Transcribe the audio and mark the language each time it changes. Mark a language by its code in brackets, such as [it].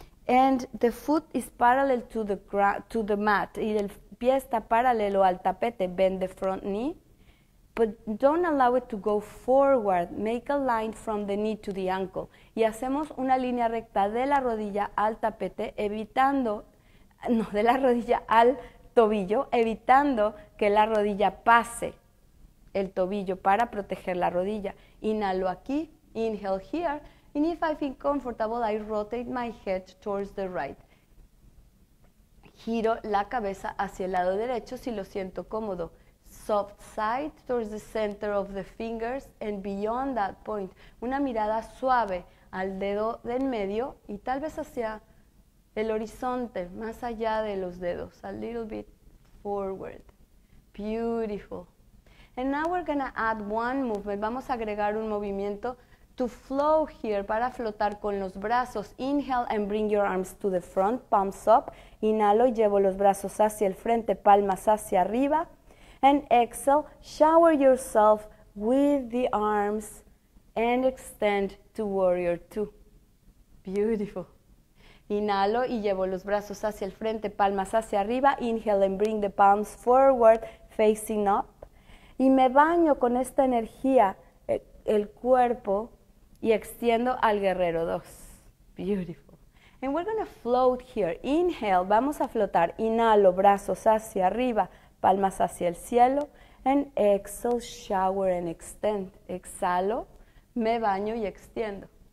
[en] And the foot is parallel to the mat. [es] Y el pie está paralelo al tapete. [en] Bend the front knee. But don't allow it to go forward. Make a line from the knee to the ankle. [es] Y hacemos una línea recta de la rodilla al tapete, evitando, no, de la rodilla al tobillo, evitando que la rodilla pase el tobillo para proteger la rodilla. Inhalo aquí. [en] Inhale here. And if I feel comfortable, I rotate my head towards the right. [es] Giro la cabeza hacia el lado derecho si lo siento cómodo. [en] Soft side towards the center of the fingers and beyond that point. [es] Una mirada suave al dedo del medio y tal vez hacia el horizonte, más allá de los dedos. [en] A little bit forward. Beautiful. And now we're going to add one movement. [es] Vamos a agregar un movimiento [en] to flow here, [es] para flotar con los brazos. [en] Inhale and bring your arms to the front, palms up. [es] Inhalo y llevo los brazos hacia el frente, palmas hacia arriba. [en] And exhale, shower yourself with the arms and extend to warrior two. Beautiful. [es] Inhalo y llevo los brazos hacia el frente, palmas hacia arriba. [en] Inhale and bring the palms forward, facing up. [es] Y me baño con esta energía, el cuerpo, y extiendo al guerrero 2. [en] Beautiful. And we're going to float here. Inhale, [es] vamos a flotar. Inhalo, brazos hacia arriba, palmas hacia el cielo. [en] And exhale, shower and extend. [es] Exhalo, me baño y extiendo.